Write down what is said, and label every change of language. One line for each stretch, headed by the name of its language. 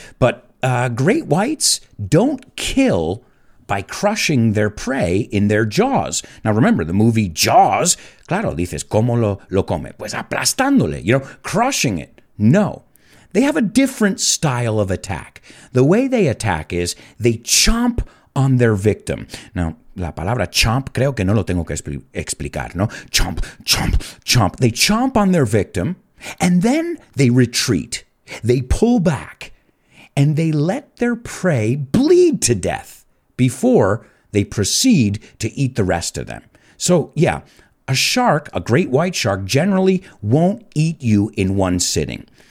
English: But great whites don't kill by crushing their prey in their jaws. Now, remember the movie Jaws?
Spanish: Claro, dices, ¿cómo lo come? Pues aplastándole,
English: you know, crushing it. No, they have a different style of attack. The way they attack is they chomp on their victim.
Spanish: Now, la palabra chomp, creo que no lo tengo que explicar, ¿no?
English: Chomp, chomp, chomp. They chomp on their victim, and then they retreat. They pull back, and they let their prey bleed to death before they proceed to eat the rest of them. So, yeah, a shark, a great white shark, generally won't eat you in one sitting.